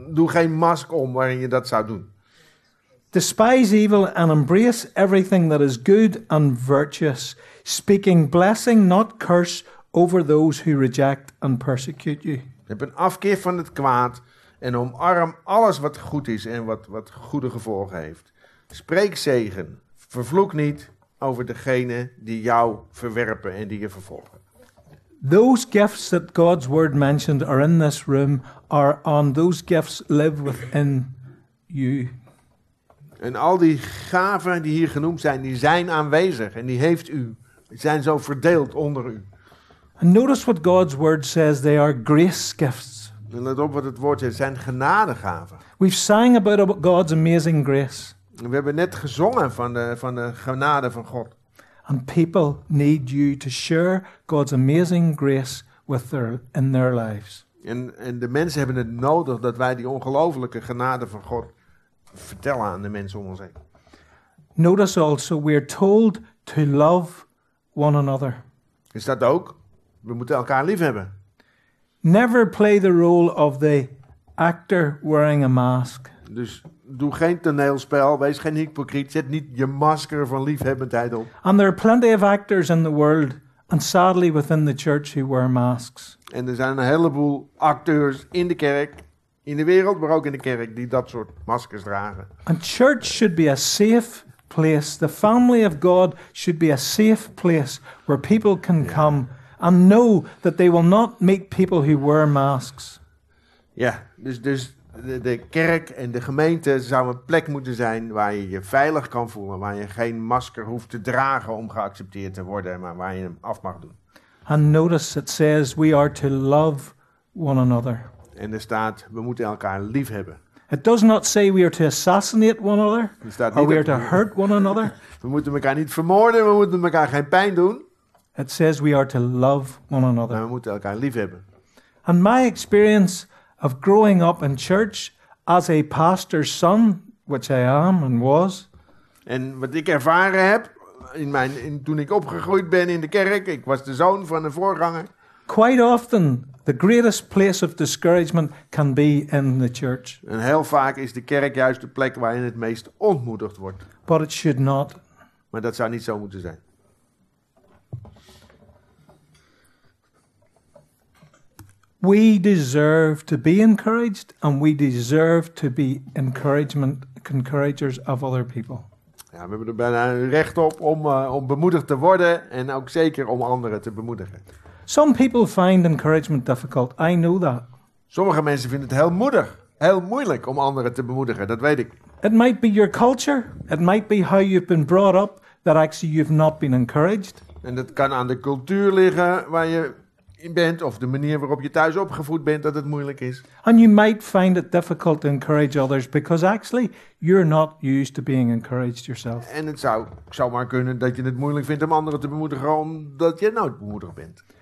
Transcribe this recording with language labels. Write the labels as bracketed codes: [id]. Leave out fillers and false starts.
[nl] Doe geen mask om waarin je dat zou doen. [en] Despise evil and embrace everything that is good and virtuous. Speaking blessing, not curse, over those who reject and persecute you. [nl] Heb een afkeer van het kwaad en omarm alles wat goed is en wat goede gevolgen heeft. Spreek zegen. Vervloek niet over degene die jou verwerpen en die je vervolgen. [en] Those gifts that God's word mentioned are in this room are on those gifts live within you. [nl] En al die gaven die hier genoemd zijn, die zijn aanwezig en die heeft u. Die zijn zo verdeeld onder u. [en] And notice what God's word says, they are grace gifts. [nl] En let op wat het woord zegt, zijn genadegaven. [en] We've sang about God's amazing grace. [nl] We hebben net gezongen van de genade van God. [en] And people need you to share God's amazing grace with their in their lives. [nl] En de mensen hebben het nodig dat wij die ongelooflijke genade van God vertellen aan de mensen om ons heen. [en] Notice also we are told to love one another. [nl] Is dat ook? We moeten elkaar lief hebben. [en] Never play the role of the actor wearing a mask. [nl] Dus doe geen toneelspel, wees geen hypocriet, zet niet je masker van liefhebbendheid op. [en] And there are plenty of actors in the world, and sadly within the church who wear masks. [nl] En er zijn een heleboel acteurs in de kerk, in de wereld, maar ook in de kerk, die dat soort maskers dragen. [en] And church should be a safe place. The family of God should be a safe place where people can come and know that they will not meet people who wear masks. [nl] Ja, dus de kerk en de gemeente zou een plek moeten zijn waar je je veilig kan voelen, waar je geen masker hoeft te dragen om geaccepteerd te worden, maar waar je hem af mag doen. [en] And notice it says we are to love one another. [nl] En er staat we moeten elkaar lief hebben. [en] It does not say we are to assassinate one another. [nl] Er staat niet [en] we are to hurt one another. [nl] We moeten elkaar niet vermoorden, we moeten elkaar geen pijn doen. [en] It says we are to love one another. [nl] En we moeten elkaar lief hebben. [en] And my experience of growing up in church as a pastor's son, which I am and was. [nl] En wat ik ervaren heb toen ik opgegroeid ben in de kerk, ik was de zoon van een voorganger. [en] Quite often the greatest place of discouragement can be in the church. [nl] En heel vaak is de kerk juist de plek waarin het meest ontmoedigd wordt. [en] But it should not. [nl] Maar dat zou niet zo moeten zijn. [en] We deserve to be encouraged and we deserve to be encouragers of other people. [nl] Ja, we hebben er bijna recht op om bemoedigd te worden en ook zeker om anderen te bemoedigen. [en] Some people find encouragement difficult. I know that. [nl] Sommige mensen vinden het heel moeilijk om anderen te bemoedigen. Dat weet ik. [en] It might be your culture. It might be how you've been brought up that actually you've not been encouraged. [nl] En dat kan aan de cultuur liggen waar je in bent of de manier waarop je thuis opgevoed bent dat het moeilijk is. [en] And you might find it difficult to encourage others because actually you're not used to being encouraged yourself. [nl] En het zou maar kunnen dat je het moeilijk vindt om anderen te bemoedigen omdat je nooit bemoedigd bent.